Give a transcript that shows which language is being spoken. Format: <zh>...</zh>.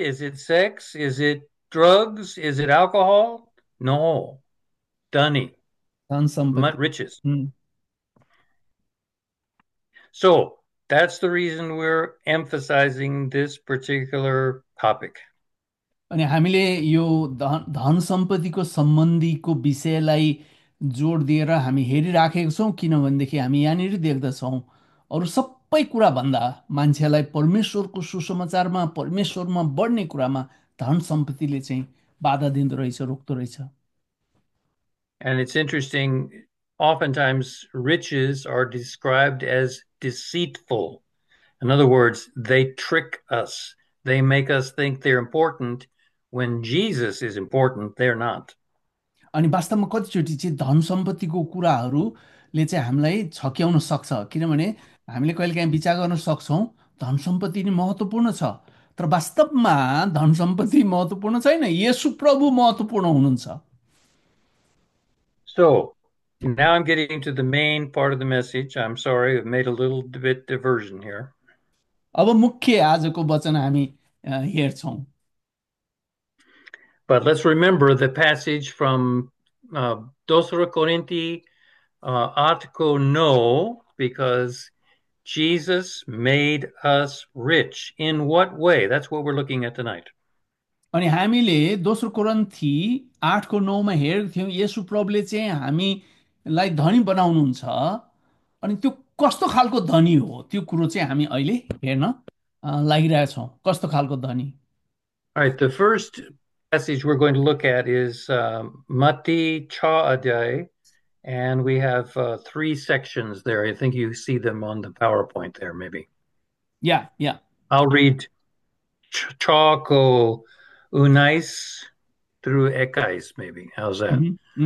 <en>Is it sex? Is it drugs? Is it alcohol? No. Dhani. Somebody. Riches. So that's the reason we're emphasizing this particular topic.</en> <ne>अनि हामीले यो धन सम्पत्तिको सम्बन्धीको विषयलाई जोड दिएर हामी हेरिराखेका छौँ, किनभनेदेखि हामी यहाँनिर देख्दछौँ अरू सबै कुराभन्दा मान्छेलाई परमेश्वरको सुसमाचारमा परमेश्वरमा बढ्ने कुरामा धन सम्पत्तिले चाहिँ बाधा दिँदो रहेछ, रोक्दो रहेछ।</ne> <en>And it's interesting, oftentimes riches are described as deceitful. In other words, they trick us. They make us think they're important when Jesus is important, they're not.</en> <ne>अनि वास्तवमा कतिचोटि चाहिँ धन सम्पत्तिको कुराहरूले चाहिँ हामीलाई छक्याउन सक्छ, किनभने हामीले कहिलेकाहीँ विचार गर्न सक्छौँ धन सम्पत्ति नै महत्त्वपूर्ण छ, तर वास्तवमा धन सम्पत्ति महत्त्वपूर्ण छैन, येशु प्रभु महत्त्वपूर्ण हुनुहुन्छ।</ne> <en>So now I'm getting to the main part of the message. I'm sorry, I've made a little bit diversion here.</en> <ne>अब मुख्य आजको वचन हामी हेर्छौँ।</ne> <en>But let's remember the passage from</en> <ne>Dosro Korinti Artko No,</ne> <en>because Jesus made us rich. In what way? That's what we're looking at tonight.</en> <ne>अनि हामीले दोस्रो कोरन्थी 8:9 हेरेको थियौँ, येशु प्रभुले चाहिँ हामीलाई धनी बनाउनुहुन्छ, अनि त्यो कस्तो खालको धनी हो त्यो कुरो चाहिँ हामी अहिले हेर्न लागिरहेछौँ, कस्तो खालको धनी।</ne> <en>All right, the first passage we're going to look at is Matthew 6, and we have three sections there. I think you see them on the PowerPoint there, maybe. Yeah. I'll read</en> <ne>Chako Unais</ne> <en>through</en> <ne>Ekais,</ne> <en>maybe. How's that?</en>